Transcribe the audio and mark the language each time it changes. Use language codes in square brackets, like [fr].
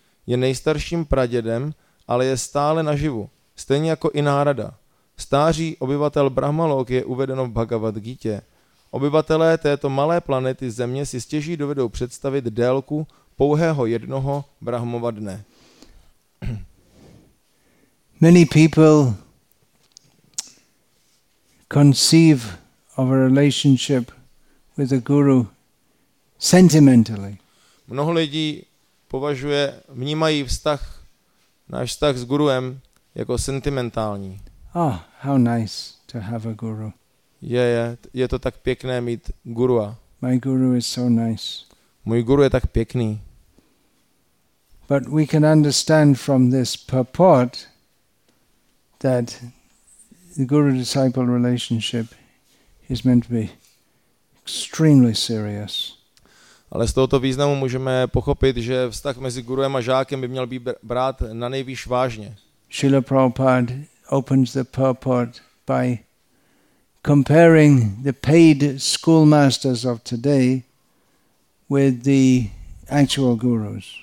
[cs] Je nejstarším pradědem, ale je stále naživu, stejně jako i Nárada. Stáří obyvatel Brahmalok je uvedeno v Bhagavad Gita. Obyvatelé této malé planety Země si stěží dovedou představit délku pouhého jednoho Brahmova dne. [en] Many people conceive of a relationship with a guru sentimentally. [cs] Mnoho lidí považuje, vnímají vztah, náš vztah s guruem jako sentimentální. [en] Oh, how nice to have a guru. [cs] Je to tak pěkné mít gurua. [en] My guru is so nice. [cs] Můj guru je tak pěkný. [en] But we can understand from this purport that the guru-disciple relationship is meant to be extremely serious. [cs] Ale z tohoto významu můžeme pochopit, že vztah mezi guruem a žákem by měl být brát na nejvýš vážně. [en] Srila Prabhupada opens the purport by comparing the paid schoolmasters of today with the actual gurus.